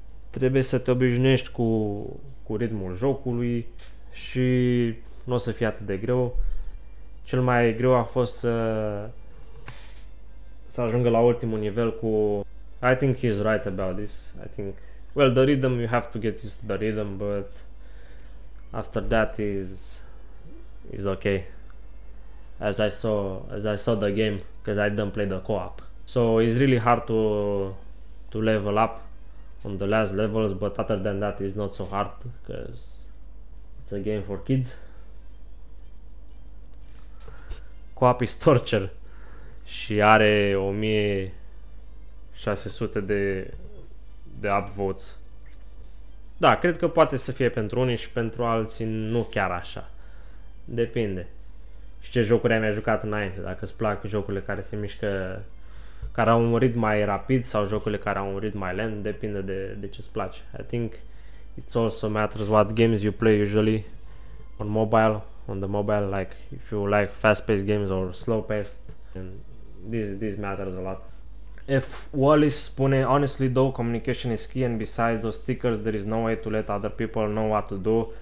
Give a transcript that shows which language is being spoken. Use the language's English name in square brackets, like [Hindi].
[Romanian] Trebuie să te obișnuiești cu ritmul jocului și nu o să fie atât de greu. Cel mai greu a fost să ajungă la ultimul nivel cu... [English] I think he's right about this. I think... Well, the rhythm, you have to get used to the rhythm, but... After that is okay. As I saw the game, because I didn't play the co-op. So it's really hard to level up on the last levels, but other than that, it's not so hard because it's a game for kids. Co-op is torture [Romanian] și are 1600 de upvotes. Da, cred că poate să fie pentru unii și pentru alții nu chiar așa. Depinde. Și ce jocuri ai mai jucat înainte. Dacă îți plac jocurile care se mișcă, care au un ritm mai rapid sau jocurile care au un ritm mai lent, depinde de ce îți place. [English] I think it also matters what games you play usually on mobile, on the mobile, like if you like fast-paced games or slow-paced, and this matters a lot. F. Wallace spune, honestly though, communication is key and besides those stickers, there is no way to let other people know what to do.